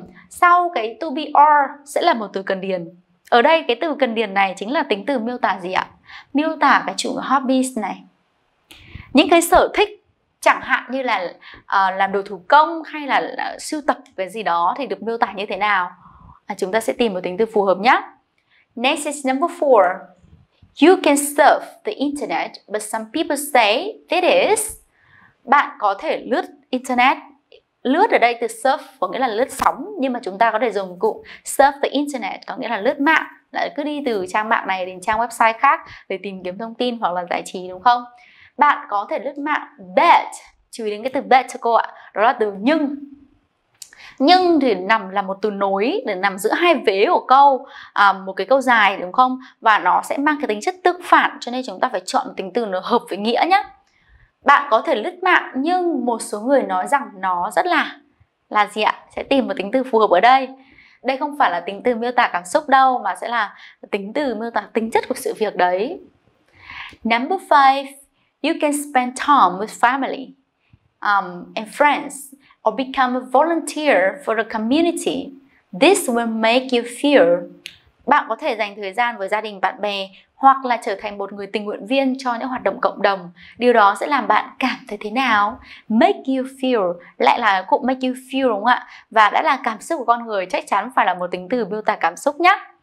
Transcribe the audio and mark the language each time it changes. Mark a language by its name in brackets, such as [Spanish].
[Vietnamese] Sau cái to be or sẽ là một từ cần điền. Ở đây cái từ cần điền này chính là tính từ miêu tả gì ạ? Miêu tả cái chủ ngữ hobbies này. Những cái sở thích chẳng hạn như là làm đồ thủ công hay là sưu tập cái gì đó thì được miêu tả như thế nào? Chúng ta sẽ tìm một tính từ phù hợp nhé. [English] Next is number four. You can surf the internet, but some people say that is. [Vietnamese] Bạn có thể lướt internet. Lướt ở đây từ surf có nghĩa là lướt sóng, nhưng mà chúng ta có thể dùng cụm [English] surf the internet [Vietnamese] có nghĩa là lướt mạng, là cứ đi từ trang mạng này đến trang website khác để tìm kiếm thông tin hoặc là giải trí, đúng không? Bạn có thể lướt mạng, but, chú ý đến cái từ but cho cô ạ, đó là từ nhưng. Nhưng thì nằm là một từ nối, để nằm giữa hai vế của câu, một cái câu dài, đúng không? Và nó sẽ mang cái tính chất tương phản, cho nên chúng ta phải chọn tính từ nó hợp với nghĩa nhé. Bạn có thể lướt mạng nhưng một số người nói rằng nó rất là gì ạ? Sẽ tìm một tính từ phù hợp ở đây. Đây không phải là tính từ miêu tả cảm xúc đâu, mà sẽ là tính từ miêu tả tính chất của sự việc đấy. [English] Number 5, you can spend time with family and friends or become a volunteer for the community. This will make you feel. [Vietnamese] Bạn có thể dành thời gian với gia đình bạn bè hoặc là trở thành một người tình nguyện viên cho những hoạt động cộng đồng. Điều đó sẽ làm bạn cảm thấy thế nào? [English] Make you feel, [Vietnamese] lại là cụm make you feel đúng không ạ? Và đã là cảm xúc của con người chắc chắn phải là một tính từ miêu tả cảm xúc nhé.